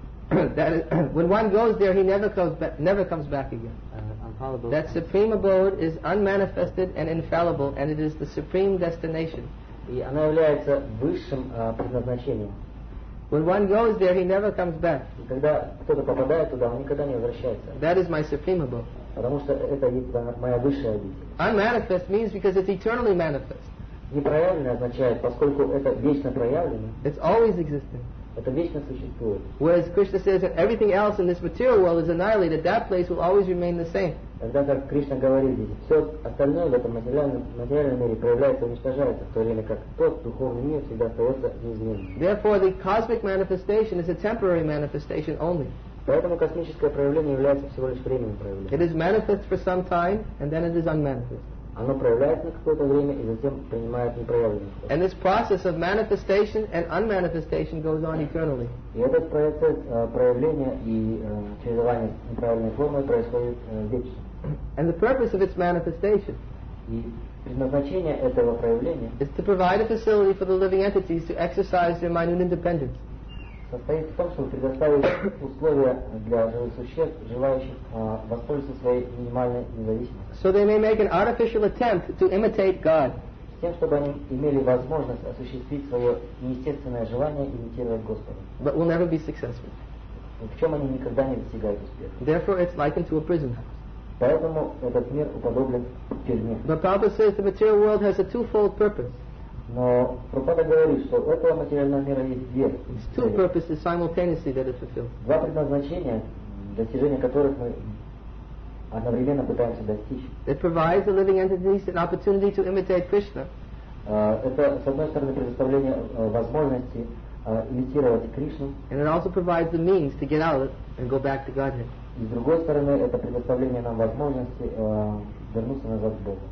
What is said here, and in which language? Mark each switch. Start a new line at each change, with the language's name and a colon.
English: That is, when one goes there, he never comes back again. Infallible. That supreme abode is unmanifested and infallible, and it is the supreme destination.
Russian: И она является высшим предназначением.
English: When one goes there, he never comes back.
Russian: И когда кто-то попадает туда, он никогда не возвращается.
English: That is my supreme abode.
Russian: Потому что это моя высшая обитель.
English: Unmanifest means because it's eternally manifest.
Russian: Непроявленное означает, поскольку это вечно проявлено.
English: It's always existing.
Russian: это вечно существует.
English: Whereas Krishna says that everything else in this material world is annihilated, that place will always remain the same.
Russian: Тогда как Кришна говорит здесь, все остальное в этом материальном мире проявляется, уничтожается, в то время как тот духовный мир всегда остается неизменным.
English: Therefore, the cosmic manifestation is a temporary manifestation only.
Russian: Поэтому космическое проявление является всего лишь временным проявлением.
English: It is manifest for some time, and then it is unmanifest.
Russian: Оно проявляется на какое-то время и затем принимает непроявленность.
English: And this process of manifestation and unmanifestation goes on eternally.
Russian: И этот процесс проявления и чередования неправильной формы происходит вечно.
English: And the purpose of its manifestation.
Russian: Предназначение этого проявления.
English: Is to provide a facility for the living entities to exercise their minute independence.
Russian: Состоит в том, чтобы предоставить условия для живых существ, желающих воспользоваться своей минимальной независимостью.
English: So they may make an artificial attempt to imitate God.
Russian: Тем, чтобы они имели возможность осуществить свое неестественное желание имитировать Господа.
English: But will never be successful.
Russian: В чем они никогда не достигают успеха.
English: Therefore, it's likened to a prison house.
Russian: Поэтому этот мир уподоблен тюрьме.
English: The Prabhupada says the material world has a twofold purpose.
Russian: Но Прабхупада говорит, что у этого материального мира есть две
English: two purposes simultaneously that it fulfills.
Russian: Два предназначения, достижения которых мы одновременно пытаемся достичь.
English: It provides the living entities an opportunity to imitate Krishna.
Russian: Это, с одной стороны, предоставление возможности имитировать Кришну.
English: And it also provides the means to get out and go back to Godhead.
Russian: И, с другой стороны, это предоставление нам возможности вернуться назад к Богу.